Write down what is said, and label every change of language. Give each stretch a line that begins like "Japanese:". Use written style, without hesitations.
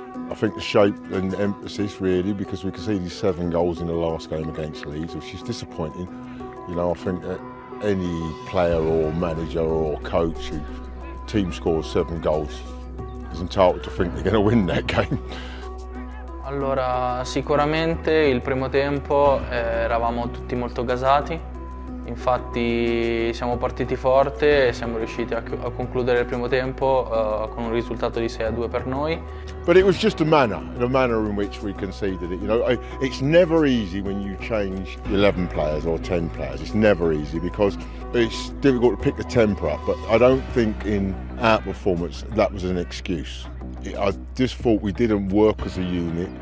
English: I think the shape and the emphasis, really, because we conceded 7 goals in the last game against Leeds, which is disappointing. You know, I think that any player or manager or coach who team scores 7 goals is entitled to think they're going to win that game.
Italian: Allora, sicuramente il primo tempo eravamo tutti molto gasati, infatti siamo partiti forte e siamo riusciti a concludere il primo tempo con un risultato di 6-2 per noi.
English: But it was just the manner in which we conceded it. You know, it's never easy when you change 11 players or 10 players. It's never easy because it's difficult to pick the temper up, but I don't think in our performance that was an excuse. I just thought we didn't work as a unit.